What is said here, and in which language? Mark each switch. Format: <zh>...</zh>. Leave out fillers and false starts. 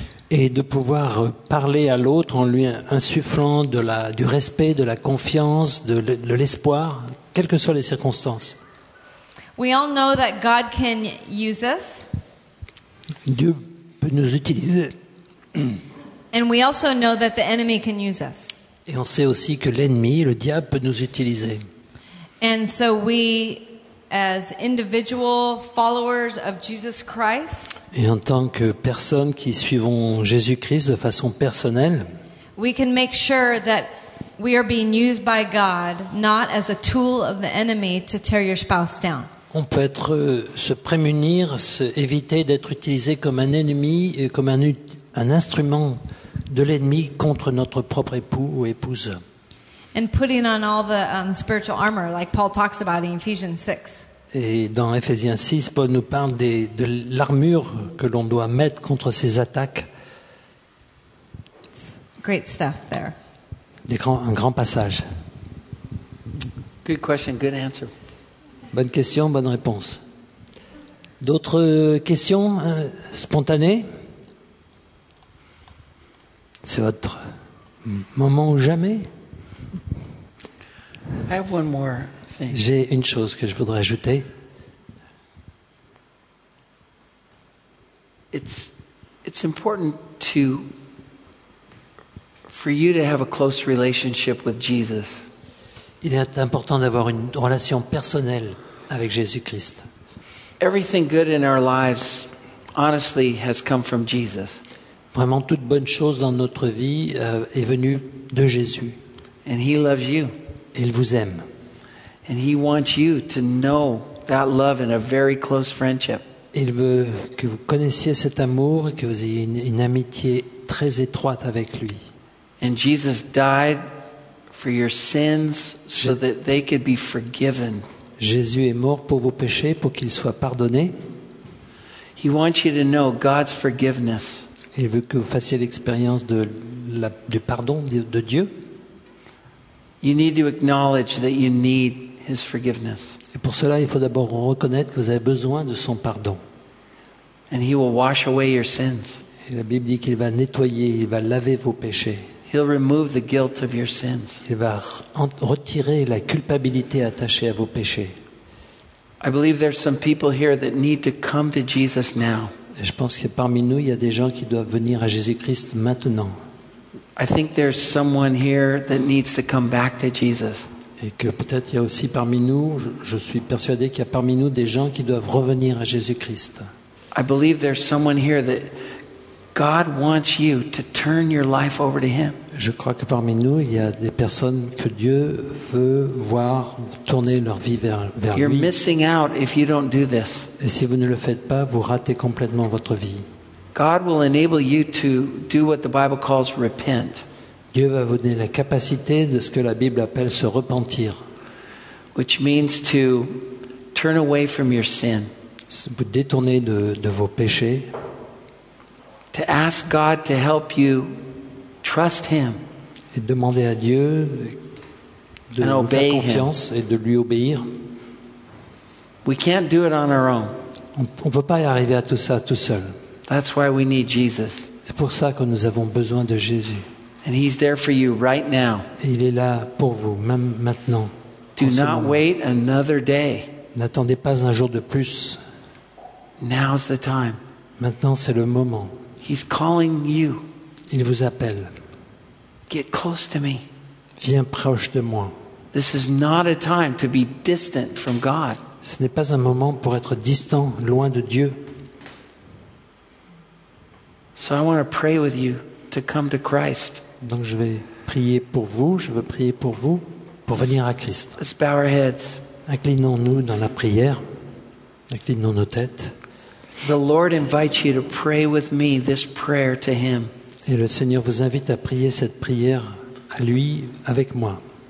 <fr>Et de pouvoir parler à l'autre en lui insufflant du respect, de la confiance, de l'espoir. Quelles que soient les circonstances.</fr> <en>We all know that God can use us.</en> <fr>Dieu peut nous utiliser.</fr> <en>And we also know that the enemy can use us.</en> <fr>Et on sait aussi que l'ennemi, le diable, peut nous utiliser.</fr> <en>And so we, as individual followers of Jesus Christ,</en> <fr>et en tant que personnes qui suivons Jésus-Christ de façon personnelle,</fr> <en>we can make sure that we are being used by God, not as a tool of the enemy to tear your spouse down.</en> <fr>On peut être se prémunir, éviter d'être utilisé comme un ennemi, comme un instrument de l'ennemi contre notre propre époux ou épouse.</fr> <en>And putting on all the spiritual armor, like Paul talks about in Ephesians 6.</en> <fr>Et dans Ephésiens 6, Paul nous parle de l'armure que l'on doit mettre contre ces attaques.</fr> <en>It's great stuff there.</en> <fr>Un grand passage.</fr> <en>Good question, good answer.</en> <fr>Bonne question, bonne réponse. D'autres questions spontanées? C'est votre moment ou jamais?</fr> <en>I have one more thing.</en> <fr>J'ai une chose que je voudrais ajouter.</fr> <en>It's important to for you to have a close relationship with Jesus.</en> <fr>Il est important d'avoir une relation personnelle avec Jésus-Christ.</fr> <en>Everything good in our lives, honestly, has come from Jesus.</en> <fr>Vraiment, toute bonne chose dans notre vie est venue de Jésus.</fr> <en>And he loves you.</en> <fr>Il vous aime.</fr> <en>And he wants you to know that love in a very close friendship.</en> <fr>Il veut que vous connaissiez cet amour et que vous ayez une amitié très étroite avec lui.</fr> <en>And Jesus died for your sins so that they could be forgiven.</en> <fr>Jésus est mort pour vos péchés pour qu'ils soient pardonnés.</fr> <en>He wants you to know God's forgiveness.</en> <fr>Il veut que vous fassiez l'expérience du pardon de Dieu.</fr> <en>You need to acknowledge that you need his forgiveness.</en> <fr>Et pour cela, il faut d'abord reconnaître que vous avez besoin de son pardon.</fr> <en>And he will wash away your sins.</en> <fr>Et la Bible dit qu'il va nettoyer, il va laver vos péchés.</fr> <en>He'll remove the guilt of your sins.</en> <fr>Il va retirer la culpabilité attachée à vos péchés.</fr> <en>I believe there's some people here that need to come to Jesus now.</en> <fr>Et je pense que parmi nous, il y a des gens qui doivent venir à Jésus-Christ maintenant.</fr> <en>I think there's someone here that needs to come back to Jesus.</en> <fr>Et que peut-être il y a aussi parmi nous, je suis persuadé qu'il y a parmi nous des gens qui doivent revenir à Jésus-Christ.</fr> <en>I believe there's someone here that God wants you to turn your life over to him.</en> <fr>Je crois que parmi nous, il y a des personnes que Dieu veut voir tourner leur vie vers lui.</fr> <en>You're missing out if you don't do this.</en> <fr>Et si vous ne le faites pas, vous ratez complètement votre vie.</fr> <en>God will enable you to do what the Bible calls repent.</en> <fr>Dieu va vous donner la capacité de ce que la Bible appelle se repentir.</fr> <en>Which means to turn away from your sin.</en> <fr>Vous détourner de vos péchés.</fr> <en>To ask God to help you trust him.</en> <fr>Et demander à Dieu de vous faire confiance et de lui obéir.</fr> <en>We can't do it on our own.</en> <fr>On peut pas y arriver à tout ça tout seul.</fr> <en>That's why we need Jesus.</en> <fr>C'est pour ça que nous avons besoin de Jésus.</fr> <en>And he's there for you right now.</en> <fr>Et il est là pour vous même maintenant.</fr> <en>Do not wait another day.</en> <fr>N'attendez pas un jour de plus.</fr> <en>Now's the time.</en> <fr>Maintenant c'est le moment.</fr> <en>He's calling you.</en> <fr>Il vous appelle.</fr> <en>Get close to me.</en> <fr>Viens proche de moi.</fr> <en>This is not a time to be distant from God.</en> <fr>Ce n'est pas un moment pour être distant, loin de Dieu.</fr> <en>So I want to pray with you to come to Christ.</en> <fr>Donc je vais prier pour vous, je veux prier pour vous pour venir à Christ.</fr> <en>Let's bow our heads.</en> <fr>Inclinons-nous dans la prière. Inclinons nos têtes.</fr> <en>The Lord invites you to pray with me this prayer to him.</en> <fr>Et le Seigneur vous invite à prier cette prière à lui avec moi.</fr>